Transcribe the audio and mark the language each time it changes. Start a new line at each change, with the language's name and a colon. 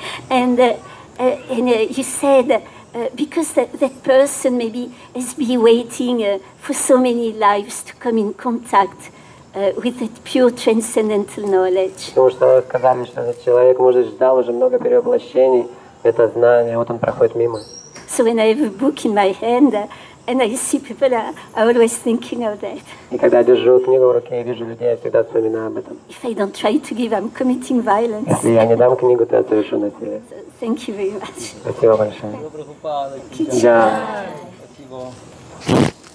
English: And you said because that person maybe has been waiting for so many lives to come in contact with that pure transcendental knowledge.
Russian: Потому что вы сказали, что этот человек, может, ждал уже много перевоплощений, это знание, вот он проходит мимо.
English: So when I have a book in my hand, and I see people are always thinking of that.
Russian: И когда я держу книгу в руке, я вижу людей, я всегда вспоминаю об этом.
English: If I don't try to give, I'm committing violence.
Russian: Если я не дам книгу, то я совершу насилие.
English: So, thank you very much.
Russian: Спасибо большое. Спасибо.